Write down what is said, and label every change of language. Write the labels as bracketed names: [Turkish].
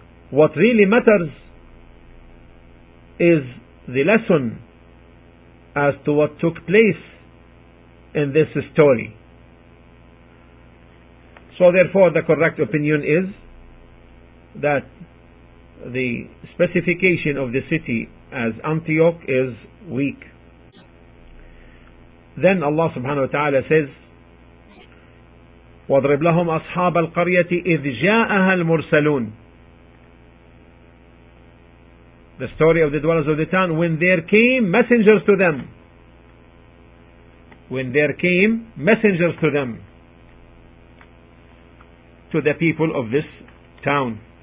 [English] What really matters is the lesson as to what took place in this story. So therefore, the correct opinion is that the specification of the city as Antioch is weak. Then Allah subhanahu wa ta'ala says, [Arabic] وَاضْرِبْ لَهُمْ أَصْحَابَ الْقَرْيَةِ إِذْ جَاءَهَا الْمُرْسَلُونَ. [English] The story of the dwellers of the town, when there came messengers to them. When there came messengers to them, to the people of this town.